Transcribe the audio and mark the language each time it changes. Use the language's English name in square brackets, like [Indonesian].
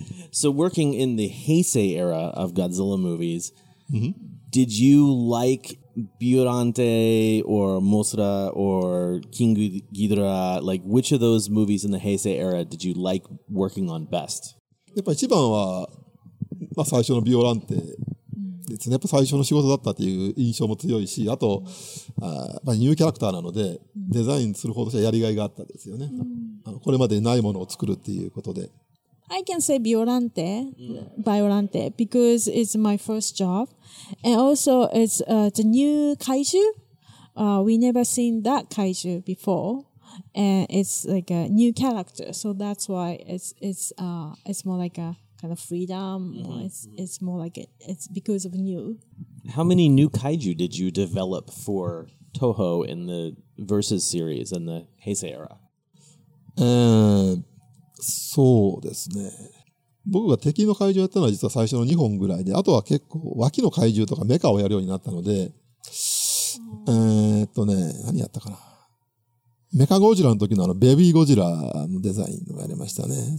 [English] So working in the Heisei era of Godzilla movies, did you like Biolante or Mothra or King Ghidorah? Like, which of those movies in the Heisei era did you like working on best? [Japanese] やっぱ一番はまあ、最初のビオランテですね。やっぱ最初の仕事だったっていう印象も強いし、あと、まあ、ニューキャラクターなので、デザインする方としてはやりがいがあったですよね。あのこれまでないものを作るっていうことで。 [English] I can say Biolante, because it's my first job. And also, it's the new kaiju. We never seen that kaiju before. And it's like a new character. So that's why it's more like a... kind of freedom. It's more like it's because of new. How many new kaiju did you develop for Toho in the Versus series in the Heisei era? [Japanese] そうですね。僕が敵の怪獣をやったのは実は最初の2本ぐらいで、あとは結構脇の怪獣とかメカをやるようになったので、何やったかな。メカゴジラの時のあのベビーゴジラのデザインをやりましたね。